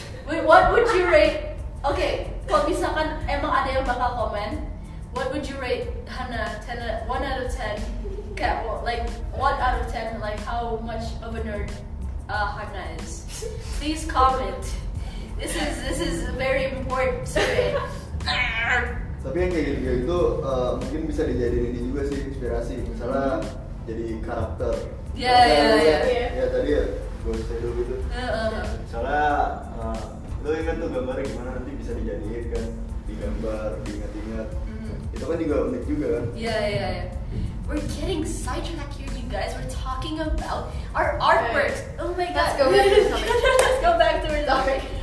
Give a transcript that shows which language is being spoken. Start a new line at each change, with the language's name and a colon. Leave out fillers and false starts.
English: Wait, what would you rate? Okay,
Indonesian: kalau misalkan emang ada yang bakal komen,
English: what would you rate Hannah? 1 out of 10. Okay, like 1 out of 10. Like how much of a nerd Hannah is? Please comment. This is very important to me.
Indonesian: Tapi yang kayak gitu itu mungkin bisa dijadiin ini juga sih inspirasi, misalnya jadi karakter. Iya. Tadi ya gue cerita dulu gitu. Misalnya lo ingat tuh gambarnya gimana nanti bisa dijadiin kan, digambar, diingat-ingat. Itu kan juga unik juga kan. Iya.
English: We're getting sidetracked here, you guys. We're talking about our artwork. Oh my god. Let's go back to our topic.